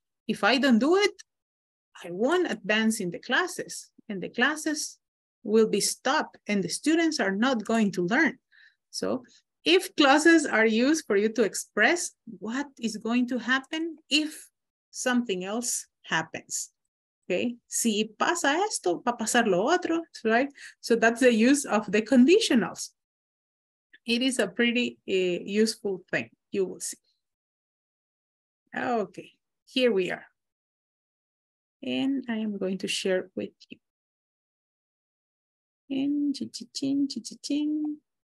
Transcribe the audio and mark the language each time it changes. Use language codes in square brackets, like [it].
[en] If I don't do it, I won't advance in the classes and the classes will be stopped and the students are not going to learn. So, if clauses are used for you to express what is going to happen if something else happens, okay? [es] Si pasa esto, va a pasar lo otro, right? [en] So that's the use of the conditionals. It is a pretty useful thing, you will see. Okay, here we are. And I am going to share with you. And chi-chi-ching, chi-chi-ching.